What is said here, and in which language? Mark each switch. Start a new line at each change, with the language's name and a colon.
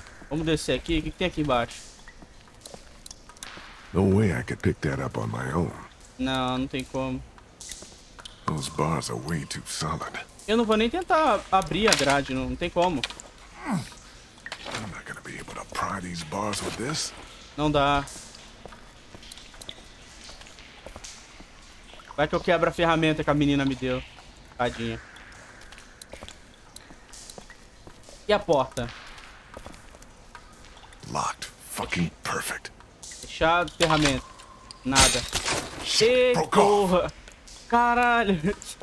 Portuguese: Vamos descer aqui. O que tem aqui embaixo?
English: No way I could pick that up on my own.
Portuguese: Não, não tem como.
English: Those bars are way too solid.
Portuguese: Eu não vou nem tentar abrir a grade, não tem como.
English: I'm not gonna be able to pry these bars with this.
Portuguese: Não dá. Vai que eu quebro a ferramenta que a menina me deu. Tadinha. E a porta?
English: Locked. Fucking perfect.
Portuguese: Fechado, ferramenta. Nada. Shit, porra. Caralho.